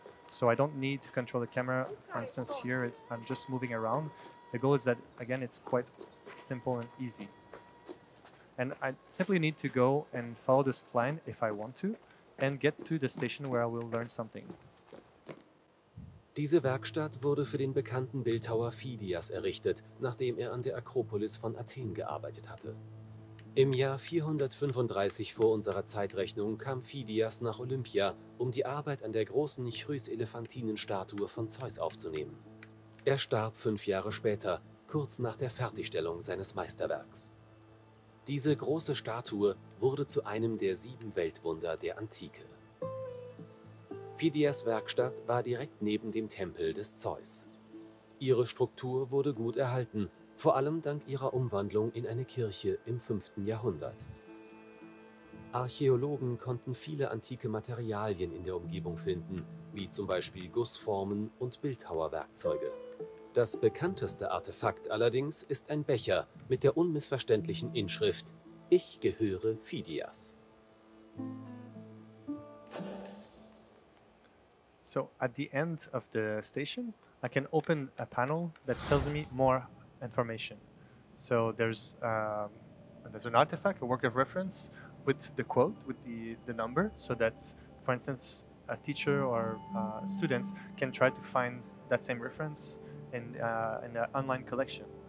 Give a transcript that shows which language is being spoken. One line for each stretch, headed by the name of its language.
English: So I don't need to control the camera. For instance, here I'm just moving around. The goal is that, again, it's quite simple and easy. And I simply need to go and follow this plan if I want to and get to the station where I will learn something.
German: Diese Werkstatt wurde für den bekannten Bildhauer Phidias errichtet, nachdem er an der Akropolis von Athen gearbeitet hatte. Im Jahr 435 vor unserer Zeitrechnung kam Phidias nach Olympia, um die Arbeit an der großen Chrys-Elefantinen-Statue von Zeus aufzunehmen. Er starb 5 Jahre später, kurz nach der Fertigstellung seines Meisterwerks. Diese große Statue wurde zu einem der 7 Weltwunder der Antike. Phidias Werkstatt war direkt neben dem Tempel des Zeus. Ihre Struktur wurde gut erhalten, vor allem dank ihrer Umwandlung in eine Kirche im 5. Jahrhundert. Archäologen konnten viele antike Materialien in der Umgebung finden, wie zum Beispiel Gussformen und Bildhauerwerkzeuge. Das bekannteste Artefakt allerdings ist ein Becher mit der unmissverständlichen Inschrift »Ich gehöre Phidias«.
English: So at the end of the station, I can open a panel that tells me more information. So there's an artifact, a work of reference, with the quote, with the number, so that, for instance, a teacher or students can try to find that same reference in the online collection.